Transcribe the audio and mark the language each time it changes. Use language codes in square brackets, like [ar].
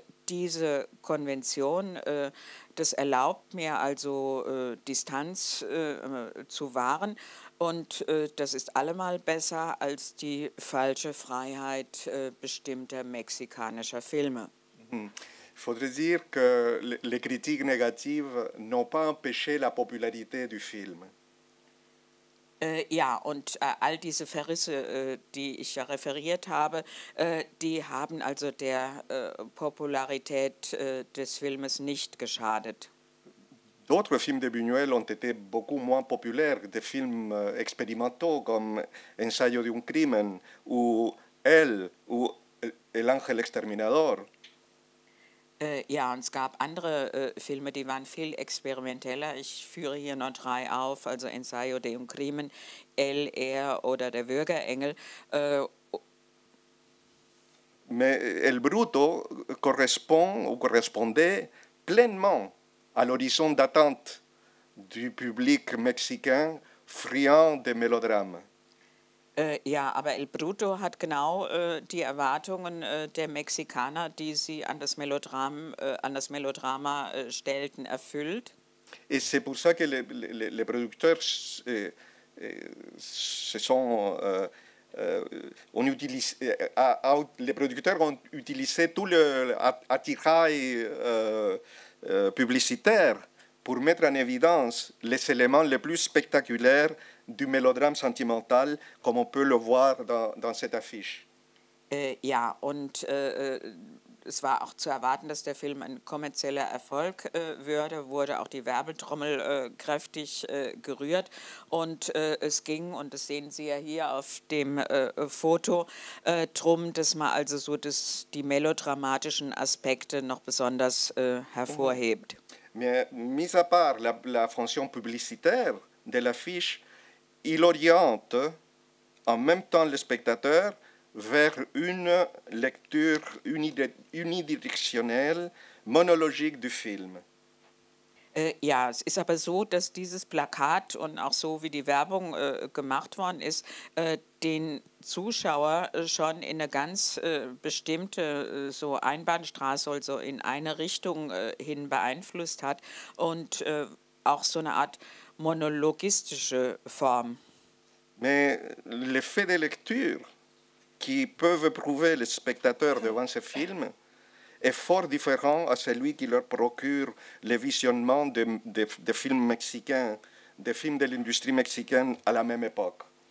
[de] Diese Konvention, das erlaubt mir also Distanz zu wahren. Und das ist allemal besser als die falsche Freiheit bestimmter mexikanischer Filme. [fr] Il faudrait dire que les critiques négatives n'ont pas empêché la popularité du film. [de] Ja, und all diese Verrisse, die ich ja referiert habe, die haben also der Popularität des Filmes nicht geschadet. [fr] D'autres films de Buñuel ont été beaucoup moins populaires, des films expérimentaux comme Ensayo d'un crimen ou Elle ou El Ángel Exterminador. [de] Ja, und es gab andere Filme, die waren viel experimenteller. Ich führe hier noch drei auf, also Ensayo de un Crimen, El, Er oder Der Würgerengel. [fr] Mais El Bruto correspond ou correspondait pleinement à l'horizon d'attente du public mexicain friand de mélodrames. [de] Ja, aber El Bruto hat genau die Erwartungen der Mexikaner, die sie an das Melodram, an das Melodrama stellten, erfüllt. [fr] Et c'est pour ça que les producteurs se sont les producteurs ont utilisé tout le attirail publicitaire pour mettre en évidence les éléments les plus spectaculaires du mélodrame sentimental, comme on peut le voir dans cette affiche. [de] Ja, und es war auch zu erwarten, dass der Film ein kommerzieller Erfolg würde, wurde auch die Werbetrommel kräftig gerührt. Und es ging, und das sehen Sie ja hier auf dem Foto, drum, dass man also so das, die melodramatischen Aspekte noch besonders hervorhebt. [fr] Mais mis à part la fonction publicitaire de l'affiche, il oriente en même temps le spectateur vers une lecture unidirectionnelle, monologique du film. [de] Ja, es ist aber so, dass dieses Plakat und auch so, wie die Werbung gemacht worden ist, den Zuschauer schon in eine ganz bestimmte so Einbahnstraße, also in eine Richtung hin beeinflusst hat und auch so eine Art monologistische Form. [fr] Mais l'effet de lecture qui peuvent éprouver les spectateurs devant ce film est fort différent à celui qui leur procure le visionnement de films mexicains, des films de l'industrie mexicaine à la même époque.